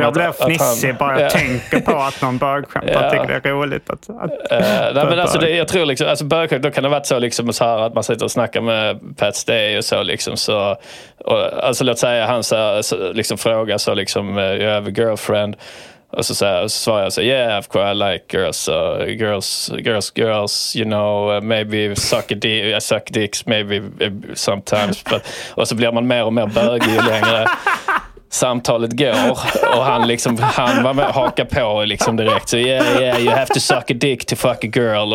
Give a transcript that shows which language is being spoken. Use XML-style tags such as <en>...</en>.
<sv>jag blev fnissig bara jag tänker på att någon bögskämtade. Jag tycker det är roligt att... nej, men alltså jag tror liksom... Alltså bögskämt, då kan det ha varit så liksom så här att man sitter och snackar med Pat Stay och så liksom så... Och, alltså låt säga, han så, liksom frågar så liksom,</sv> <en>you have a girlfriend...</en> <sv>Och så svarar jag så,</sv> <en>yeah, of course, I like girls, girls, you know, maybe suck dicks, maybe sometimes.</en> <sv>But, och så blir man mer och mer bögig ju längre samtalet går. Och han liksom, han var med, hakar på liksom direkt, så</sv> <en>yeah, yeah, you have to suck a dick to fuck a girl.</en>